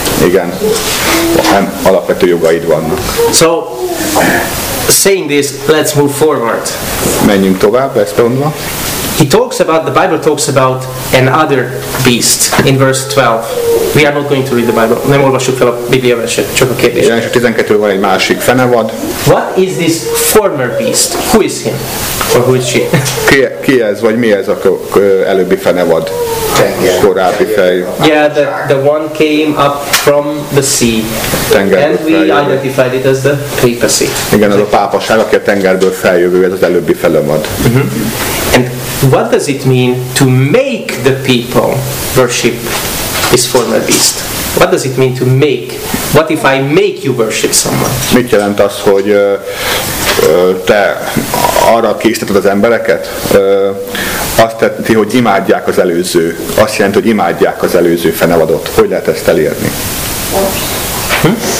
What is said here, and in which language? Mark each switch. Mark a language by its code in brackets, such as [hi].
[hu] Igen, alapvető jogaid vannak. [en] So, saying this, let's move forward. [hu] Menjünk tovább, ezt mondva. [en] The Bible talks about another beast in verse 12. We are not going to read the Bible. [hu] Nem olvassuk fel a Biblia verset, csak a kérdés. Jelenések 12-ben van egy másik fenevad. [en] What is this former beast? Who is him? Or who is she? [hu] Ki ez, vagy mi ez a előbbi fenevad? Tenger. Korábbi fej. [en] Yeah, the one came up from the sea. [hu] Tenger. [en] And we identified it as the papacy. [hu] Igen, az a pápaság, aki a tengerből feljövő, ez az előbbi fenevad. [en] What does it mean to make the people worship this former beast? What does it mean to make? What if I make you worship someone? [hu] Mit jelent az, hogy te arra készíted az embereket? Azt jelenti, hogy imádják az előző. Azt jelenti, hogy imádják az előző fenevadot. Hogy lehet ezt elérni? [en] Force.